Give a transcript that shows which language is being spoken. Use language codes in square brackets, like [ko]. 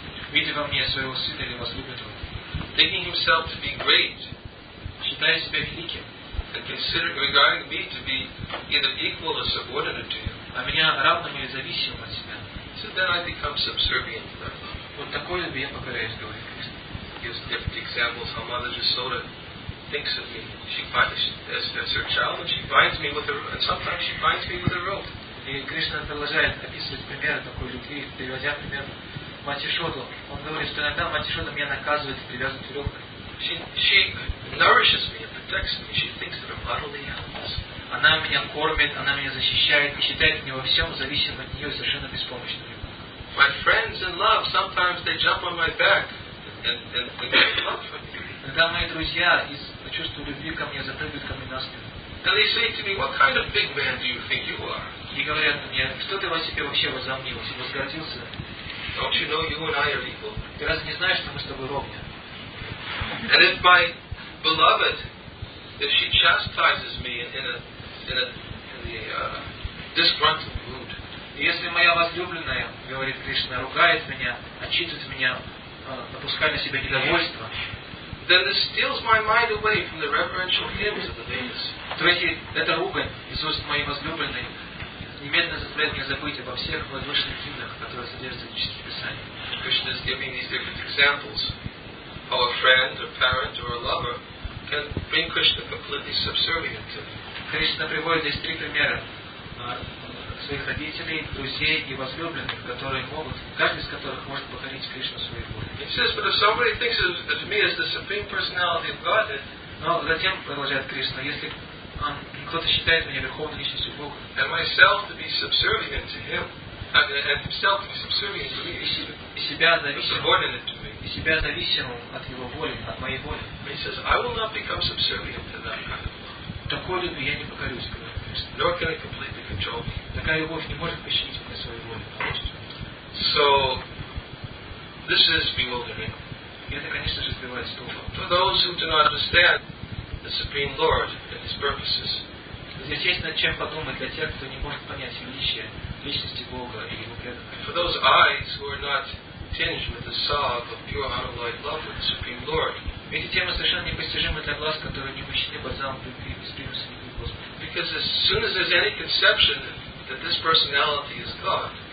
[ru] видя во мне своего сына или возлюбленного, [en] thinking himself to be great, [ru] считая себя великим, [en] and considering regarding me to be either equal or subordinate to him, [ru] а меня равным или зависимым от себя, [en] so then I become subservient to that love. [ru] Вот такой любви я покоряюсь, говорит Кришна. [en] Gives different examples how Mother Jasoda thinks of me. She finds as her child, and she binds me with her, and sometimes she binds me with a rope. [ru] И Кришна продолжает описывать примеры такой любви, приводя пример. Мать Ишоду. Он говорит, что иногда мать Ишода меня наказывает и привязывает веревкой. [en] She nourishes me and protects me. She thinks that I'm utterly helpless. [ru] Она меня кормит, она меня защищает и считает меня во всем зависимым от нее и совершенно беспомощным. [en] My friends in love, sometimes they jump on my back and get love from me. [ru] Когда мои друзья из чувства любви ко мне запрыгивают ко мне на спину. [en] And they say to me, what kind of big man do you think you are? [ru] И говорят мне, что ты во себе вообще возомнил, возгордился? [en] Don't you know you and I are equal? [ru] Ты разве не знаешь, что мы с тобой ровня? [en] And if my beloved, if she chastises me in a disgruntled mood, [ru] если моя возлюбленная, говорит Кришна, ругает меня, отчитывает меня, допускает на себя недовольство, [en] then this steals my mind away from the reverential hymns of the Vedas. [ru] То есть эта ругань из уст моей возлюбленной немедленно заставляет меня забыть обо всех возвышенных гимнах, которые содержатся в Ведических Писаниях. [en] Krishna is giving these different examples how a friend, a parent, or a lover can bring Krishna completely subservient to him. [ru] Кришна приводит здесь три примера своих родителей, друзей и возлюбленных, которые могут, каждый из которых может покорить Кришну своей воле. [en] It says, but if somebody thinks of me as the Supreme Personality of Godhead, [ru] но затем, продолжает Кришна, если кто-то считает меня верховной личностью Бога. [en] And myself to be subservient to him. And himself to be subservient to me. [ru] И себя зависимым от его воли, от моей воли. [en] But he says, I will not become subservient to that kind of love. [ru] Такой любви я не покорюсь, говорит Кришна. [en] Nor can I completely control me. [ru] Такая любовь не может подчинить мне своей воли. [en] So, this is bewildering. [ru] И это, конечно же, сбивает с толку. [en] For those who do not understand the Supreme Lord and His purposes. [ru] Здесь есть над чем подумать для тех, кто не может понять величие личности Бога и Его преданности. [en] For those eyes who are not tinged with the salve of pure unalloyed love with the Supreme Lord. [ru] Эти темы совершенно непостижимы для глаз, которые не мощны бальзамом любви и беспримесной любви Господа. [en] Because as soon as there's any conception that this personality is God.